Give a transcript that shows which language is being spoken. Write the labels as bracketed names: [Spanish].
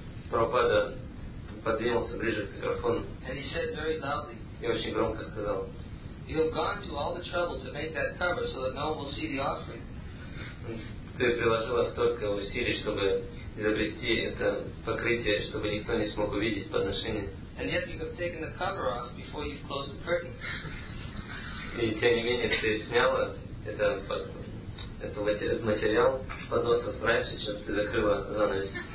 [Russian] Прабхупада подвинулся ближе к микрофону. [English] And he said very loudly, [Russian] и очень громко сказал, [English] you have gone to all the trouble to make that cover so that no one will see the offering. [Russian] Ты приложила столько усилий, чтобы изобрести это покрытие, чтобы никто не смог увидеть подношение. [English] And yet you have taken the cover off before you've closed the curtain. [Russian] И тем не менее ты сняла этот материал с подносов раньше, чем ты закрыла занавес.